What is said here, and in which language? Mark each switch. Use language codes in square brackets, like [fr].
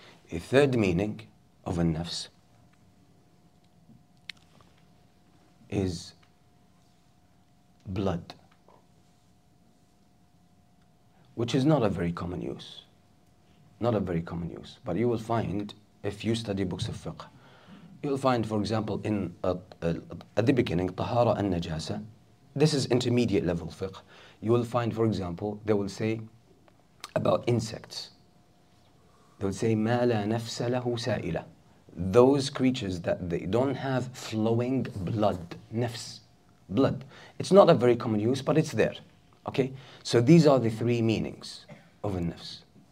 [en] The third meaning of a nafs is blood, which is not a very common use. Not a very common use. But you will find, if you study books of fiqh, you'll find, for example, in at the beginning, Tahara and Najasa, this is intermediate level fiqh, you will find, for example, they will say about insects. [ar] They will say, مَا لَا نَفْسَ لَهُ سَائِلَ. [en] Those creatures that they don't have flowing blood, nafs, blood. It's not a very common use, but it's there. Okay? So these are the three meanings of a nafs.